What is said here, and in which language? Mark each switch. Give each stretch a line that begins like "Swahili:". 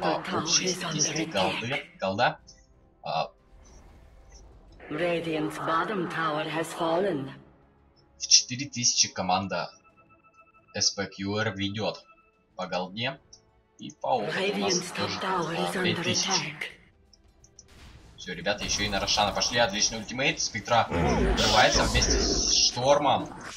Russian: Вообще, почти голды, голда.
English: Radiant's bottom tower has fallen.
Russian: В 4000 команда SPQR ведет по голде и по опыту.
English: Radiant's top tower is under attack.
Russian: Все, ребята, еще и на Рошана пошли. Отличный ультимейт. Спектра врывается вместе с Штормом.